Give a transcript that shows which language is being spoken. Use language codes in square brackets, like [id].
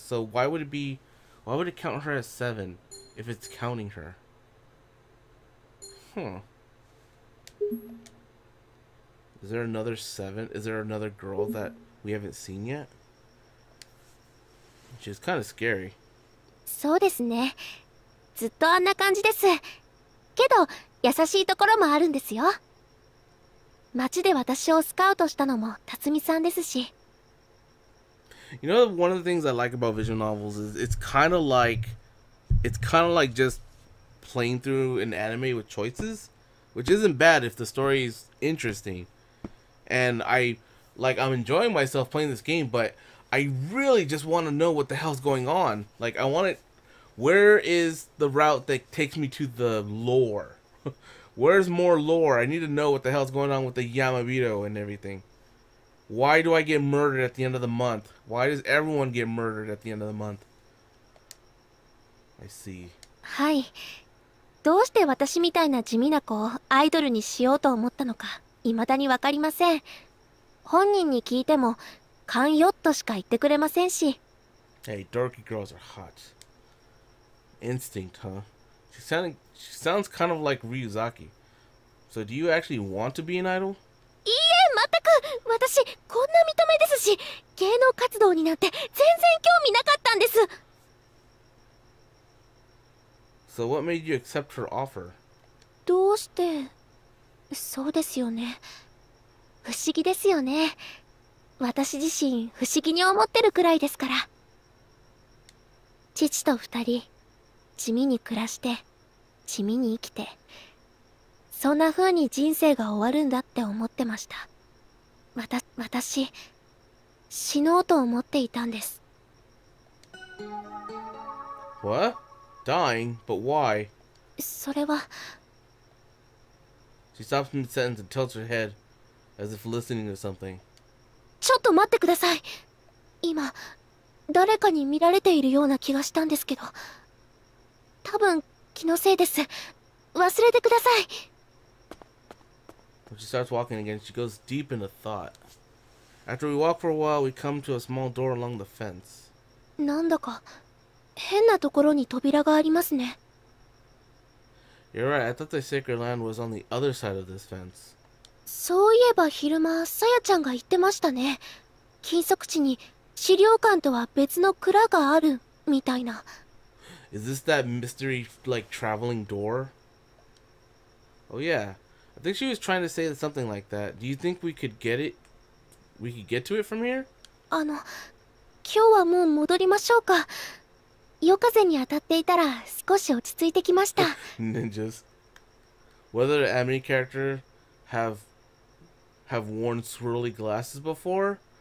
[en] So why would it count her as seven if it's counting her? Huh. Is there another seven? Is there another girl that we haven't seen yet? Which is kind of scary. [ja] そうですね。ずっとあんな感じです。けど、優しいところもあるんですよ。町で私をスカウトしたのも辰巳さんですし。 [en] You know, one of the things I like about visual novels is it's kind of like just playing through an anime with choices. Which isn't bad if the story is interesting. And I'm enjoying myself playing this game, but I really just want to know what the hell's going on. Like, I want it. Where is the route that takes me to the lore? Where's more lore? I need to know what the hell's going on with the Yomibito and everything. Why do I get murdered at the end of the month? Why does everyone get murdered at the end of the month? I see. Hi. [ja] どうして私みたいな地味な子をアイドルにしようと思ったのか、いまだにわかりません。本人に聞いても、かんよっとしか言ってくれませんし。 [en] Hey, dorky girls are hot. Instinct, huh? She sounds kind of like Ryuzaki. So do you actually want to be an idol? [ja] いいえ、全く。私、こんな見た目ですし、芸能活動になって全然興味なかったんです。 [en] So what made you accept her offer? [ja] どうして…そうですよね。不思議ですよね。私自身不思議に思ってるくらいですから。父と二人、地味に暮らして、地味に生きて、そんな風に人生が終わるんだって思ってました。私、死のうと思っていたんです。 [en] What? Dying? But why? [ja] それは… [en] She stops in the sentence and tilts her head, as if listening to something. [ja] ちょっと待ってください。今、誰かに見られているような気がしたんですけど。多分、気のせいです。忘れてください。 [en] When she starts walking again, she goes deep into thought. After we walk for a while, we come to a small door along the fence. [ja] なんだか、変なところに扉がありますね。 [en] You're right, I thought the sacred land was on the other side of this fence. [ja] そういえば昼間、さやちゃんが言ってましたね。禁足地に資料館とは別の蔵があるみたいな。 [en] Is this that mystery, like, traveling door? Oh yeah. I think she was trying to say something like that. Do you think we could get to it from here? [ja] 今日はもう戻りましょうか。夜風に当たっていたら少し落ち着いてきました。 [en] Ninjas. Whether the anime character have worn swirly glasses before?